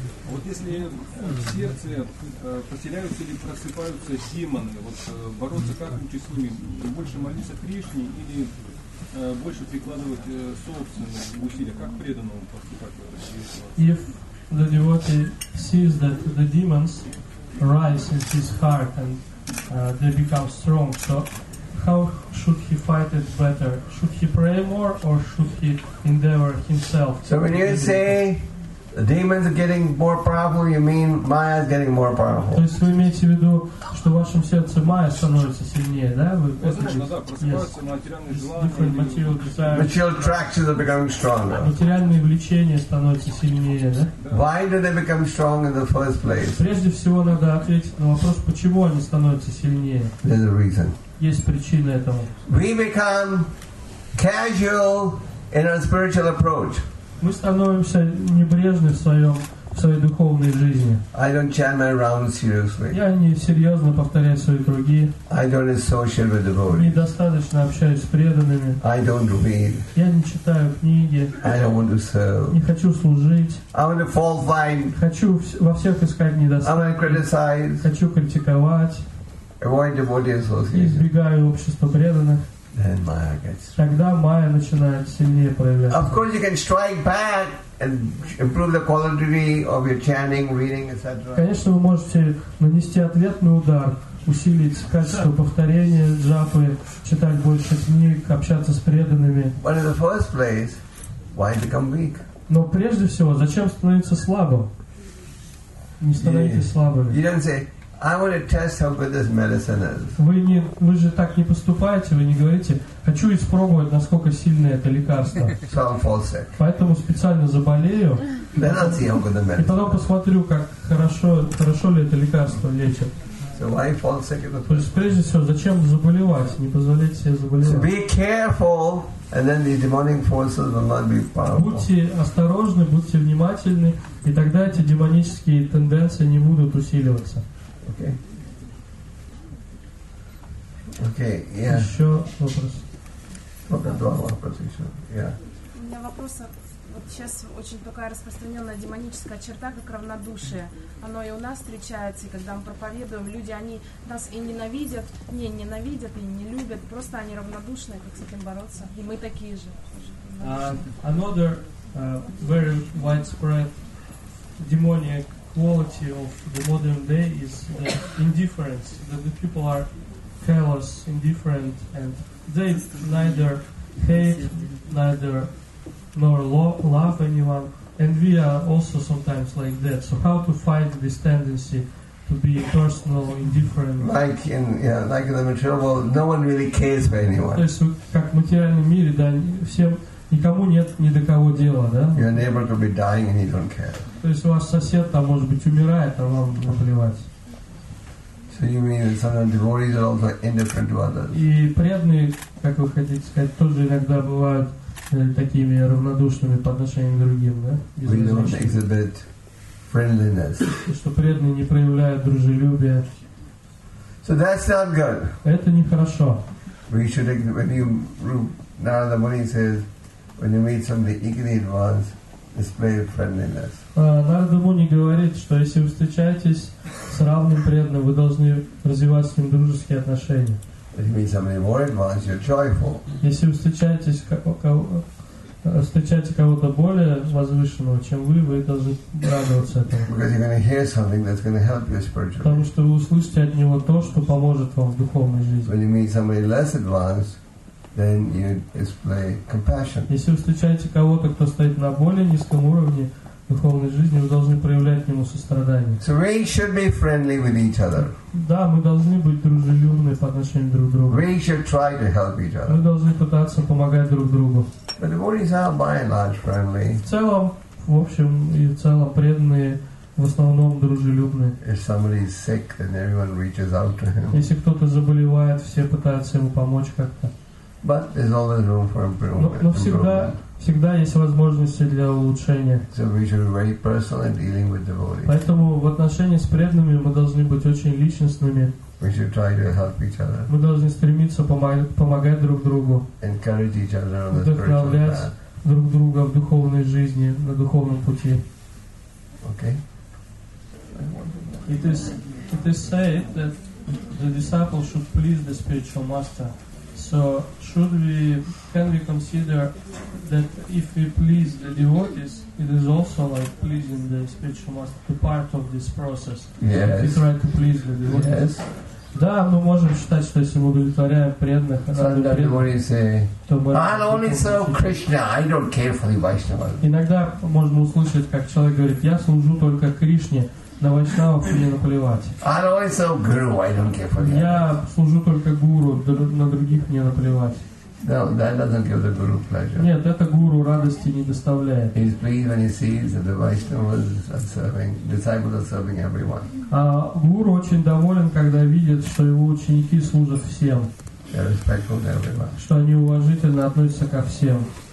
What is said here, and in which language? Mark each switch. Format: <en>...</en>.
<ru>Вот если в сердце поселяются или просыпаются демоны, вот бороться как-нибудь с ними, больше молиться Кришне или больше прикладывать собственные усилия, как преданному поступать?</ru> <en>If the devotee sees that the demons rise in his heart and they become strong, so how should he fight it better? Should he pray more or should he endeavor himself? So when you say the demons are getting more powerful, you mean Maya is getting more powerful.</en> <ru>То есть вы имеете в виду, что в вашем сердце Maya становится сильнее, да?</ru> <en>Material attractions are becoming stronger.</en> <ru>Материальные влечения становятся сильнее, да?</ru> <en>Why do they become strong in the first place?</en> <ru>Прежде всего надо ответить на вопрос, почему они становятся сильнее.</ru> <en>There's a reason.</en> <ru>Есть причина этому.</ru> <en>We become casual in our spiritual approach.</en> <ru>Мы становимся небрежны в своей духовной жизни.</ru> <en>I don't chant my rounds seriously.</en> <ru>Я не серьезно повторяю свои круги.</ru> <en>I don't associate with devotees.</en> <ru>Недостаточно общаюсь с преданными.</ru> <en>I don't read.</en> <ru>Я не читаю книги.</ru> <en>I don't want to serve.</en> <ru>Не хочу служить.</ru> <en>I want to fall fine.</en> <ru>Хочу во всех искать недостатки.</ru> <en>I want to criticize.</en> <ru>Хочу критиковать.</ru> <en>Avoid devotee association.</en> <ru>Избегаю общества преданных.</ru> <en>Then Maya gets.</en> <ru>Тогда Maya начинает сильнее проявляться.</ru> <en>Of course, you can strike back and improve the quality of your chanting, reading, etc.</en> <ru>Конечно, вы можете нанести ответный удар, усилить качество повторения джапы, читать больше книг, общаться с преданными.</ru> <en>But in the first place, why become weak?</en> <ru>Но прежде всего, зачем становиться слабым? Не становитесь слабыми.</ru> <en>You didn't say, I want to test how good this medicine is.</en> <ru>Вы же так не поступаете, вы не говорите, хочу испробовать, насколько сильное это лекарство.</ru> <en>So I'm fall sick.</en> <ru>Поэтому специально заболею.</ru> <en>Then I'll see how good the medicine is.</en> <ru>И потом посмотрю, как хорошо ли это лекарство лечит. То есть прежде всего, зачем заболевать? Не позволять себе заболевать.</ru> <en>Be careful, and then the demonic forces will not be powerful.</en> <ru>Будьте осторожны, будьте внимательны, и тогда эти демонические тенденции не будут усиливаться.</ru> <en>Okay. Yeah.</en> <ru>Еще вопрос.</ru> <en>Yeah.</en> <ru>У меня вопрос. Вот сейчас очень такая распространенная демоническая черта, как равнодушие. Оно и у нас встречается, и когда мы проповедуем, люди, они нас и ненавидят, не ненавидят и не любят, просто они равнодушны, как с этим бороться. И мы такие же.</ru> <en>Another very widespread demonic quality of the modern day is the indifference, that the people are careless, indifferent, and they neither hate, neither nor love anyone, and we are also sometimes like that. So how to fight this tendency to be personal, indifferent? Like in the material world, no one really cares for anyone.</en> <ru>То есть как в материальном мире, да, всем никому нет ни до кого дела, да?</ru> <en>Your neighbor could be dying and you don't care.</en> <ru>То есть у вас сосед там может быть умирает, а вам наплевать.</ru> <en>So you mean that sometimes devotees are also indifferent to others?</en> <ru>И преданные, как вы хотите сказать, тоже иногда бывают такими равнодушными по отношению к другим, да?</ru> <en>We don't exhibit friendliness.</en> <ru>Что преданные не проявляют дружелюбия.</ru> <en>So that's not good.</en> <ru>Это нехорошо.</ru> <en>We should, when you, Narada Muni says, when you meet somebody equally advanced, display friendliness.</en> <ru>Нарада Муни говорит, что если вы встречаетесь с равным преданным, вы должны развивать с ним дружеские отношения.</ru> <en>If you meet somebody more advanced, you're joyful.</en> <ru>Если вы встречаете кого-то более возвышенного, чем вы должны радоваться этому.</ru> <en>Because you're going to hear something that's going to help you spiritually.</en> <ru>Потому что вы услышите от него то, что поможет вам в духовной жизни.</ru> <en>When you meet somebody less advanced, then you display compassion.</en> <ru>Если вы встречаете кого-то, кто стоит на более низком уровне духовной жизни, вы должны проявлять к нему сострадание.</ru> <en>So we should be friendly with each other.</en> <ru>Да, мы должны быть дружелюбны по отношению друг к другу.</ru> <en>We should try to help each other.</en> <ru>Мы должны пытаться помогать друг другу.</ru> <en>But devotees are by and large friendly.</en> <ru>В целом, в общем и целом, преданные в основном дружелюбны.</ru> <en>If somebody is sick, then everyone reaches out to him.</en> <ru>Если кто-то заболевает, все пытаются ему помочь как-то.</ru> <en>But there's always room for improvement.</en> <ru>Всегда есть возможности для улучшения.</ru> <en>So we should be very personal in dealing with devotees.</en> <ru>Поэтому в отношении с преданными мы должны быть очень личностными.</ru> <en>We should try to help each other.</en> <ru>Мы должны стремиться помогать друг другу.</ru> <en>Encourage each other on</en> <ru>Вдохновлять друг друга в духовной жизни, на духовном пути.</ru> <en>Okay. It is said that the disciple should please the spiritual master. So can we consider that if we please the devotees, it is also like pleasing the spiritual master, the part of this process. Yes. So we try to please the devotees. Yes.</en> <ru>Да, мы можем считать, что если мы удовлетворяем преданных,</ru> <en>I'll only serve Krishna. I don't care for the Vaishnavas.</en> <ru>Иногда можно услышать, как человек говорит: я служу только Кришне. На вайшнавов мне наплевать.</ru> <en>I'll only serve guru, I don't care for the</en> <ru>Я служу только гуру, на других мне наплевать.</ru> <en>No, that doesn't give the guru pleasure.</en> <ru>Нет, это гуру радости не доставляет.</ru> <en>He's pleased when he sees that the Vaishnavas are serving, disciples are serving everyone.</en> <ru>А гуру очень доволен, когда видит, что его ученики служат всем.</ru> <en>They're respectful to everyone. Что они уважительно относятся ко всем.</en>